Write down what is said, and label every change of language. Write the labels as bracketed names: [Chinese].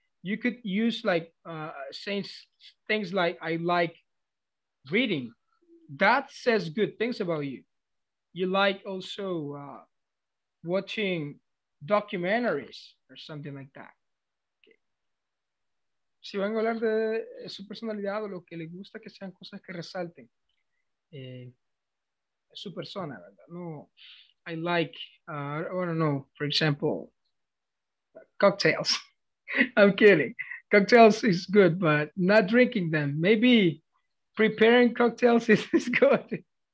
[English] You could use like saying things like, I like reading. That says good things about you. You like also watching documentaries or something like that. Okay. [Spanish] Si van a hablar de su personalidad o lo que le gusta, que sean cosas que resalten. Su persona, ¿verdad? [English] No, I like, I don't know, for example, cocktails. I'm kidding. Cocktails is good, but not drinking them. Maybe preparing cocktails is good.